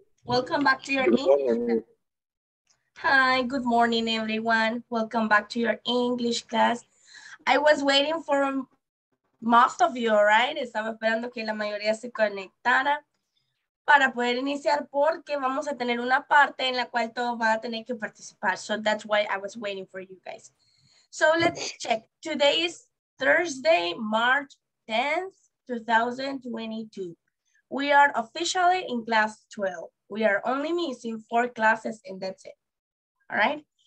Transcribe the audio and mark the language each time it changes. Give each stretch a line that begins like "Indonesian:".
English: Welcome back to your Hi, good morning, everyone. Welcome back to your English class. I was waiting for most of you, right?
Spanish: Estaba esperando que la mayoría se conectara para poder iniciar porque vamos a tener una parte en la cual todos van a tener que participar.
English: So that's why I was waiting for you guys. So let's check. Today is Thursday, March 10th, 2022. We are officially in class 12. We are only missing 4 classes and that's it. All right.